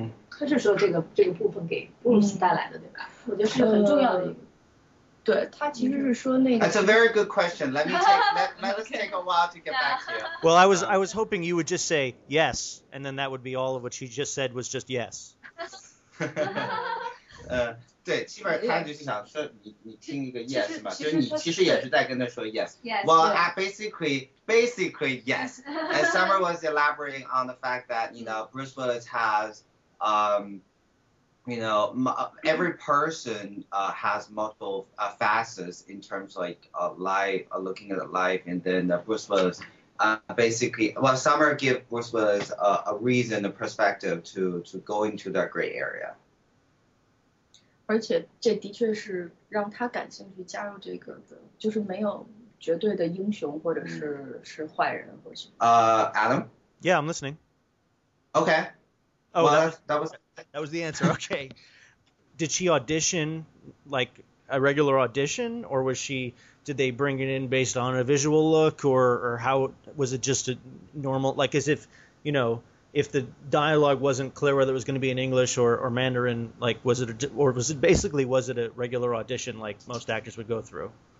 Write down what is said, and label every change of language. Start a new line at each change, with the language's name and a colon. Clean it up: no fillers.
Chinese: 他是说这个部分给布鲁斯带来的，对吧？我觉得是很重要的一个。对，他其实是说那个。
English: That's a very good question. Let us take a while to get back to you. Well, I was hoping you would just say yes, and then that would be all of what she just said was just yes.
Chinese: 对，基本上他就是想说你听一个 yes 嘛，就是你其实也是在跟他说 yes。
English: Yes. Well, basically yes. And Summer was elaborating on the fact that you know Bruce Willis has every person has multiple facets in terms of like of life, looking at life, and then Bruce Willis Summer give Bruce Willis a reason, a perspective to go into that gray area.
Chinese: 而且这的确是让他感兴趣加入这个的，就是没有绝对的英雄或者是坏人或者。
English: Adam? Yeah, I'm listening. Okay. Oh, well, that was the answer. Okay. did she audition like a regular audition, or was she, did they bring it in based on a visual look, or how was it just a normal, like, as if, you know, if the dialogue wasn't clear whether it was going to be in English or Mandarin, like, was it a, or was it basically, was it a regular audition like most actors would go through?